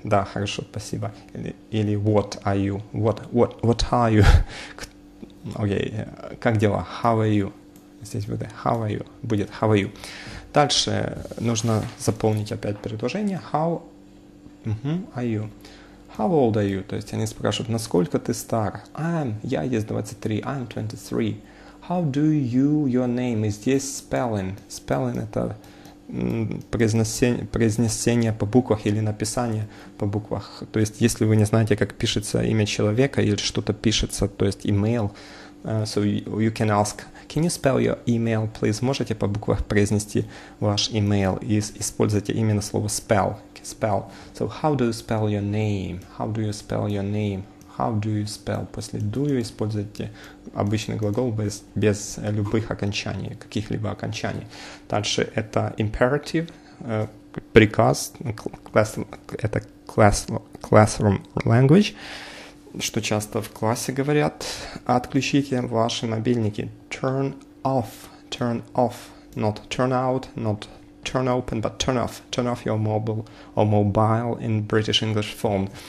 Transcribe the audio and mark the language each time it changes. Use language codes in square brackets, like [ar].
[ru] Да, хорошо, спасибо. Или [en] what are you? What are you? [ru] Окей. Как дела? [en] How are you? [ru] Здесь будет [en] how are you. [ru] Будет [en] how are you. [ru] Дальше нужно заполнить опять предложение. [en] How are you? How old are you? [ru] То есть они спрашивают, насколько ты стар? Я есть 23. [en] I'm 23. How do you, your name, is this spelling? [ru] Spelling – это произнесение по буквах или написание по буквах. То есть, если вы не знаете, как пишется имя человека или что-то пишется, то есть email, [en] so you can ask, can you spell your email, please? [ru] Можете по буквах произнести ваш email и используйте именно слово spell. [en] Spell. So, how do you spell your name? How do you spell your name? How do you spell? [ru] После do you используйте обычный глагол без любых окончаний, каких-либо окончаний. Дальше это imperative, приказ, это classroom language, что часто в классе говорят. Отключите ваши мобильники. [en] Turn off, not turn out, not turn open, but turn off. Turn off your mobile or mobile in British English form.